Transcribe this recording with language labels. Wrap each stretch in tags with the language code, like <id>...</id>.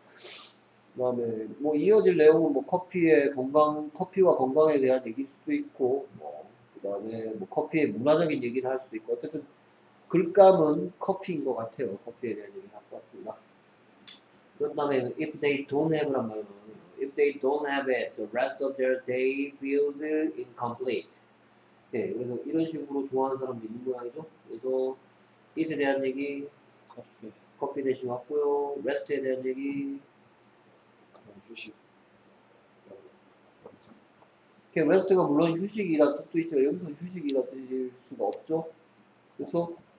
<ko>그 다음에 뭐 이어질 내용은 뭐 커피의 건강, 커피와 건강에 대한 얘기일 수도 있고, 뭐 그 다음에 뭐 커피의 문화적인 얘기를 할 수도 있고, 어쨌든 글감은 커피인 것 같아요. 커피에 대한 얘기를 하고 왔습니다. 그 다음에</ko> <en>if they don't have</en> <ko>란 말은 뭐예요?</ko> <en>If they don't have it, the rest of their day feels incomplete.</en> <ko>네, 그래서 이런 식으로 좋아하는 사람도 있는 모양이죠. 그래서 it에 대한 얘기 커피 대신 왔고요. rest에 대한 얘기 휴식. 그 레스트가 물론 휴식이라 뜻도 있지만 여기서 휴식이라 뜻일 수가 없죠. 그렇죠?</ko>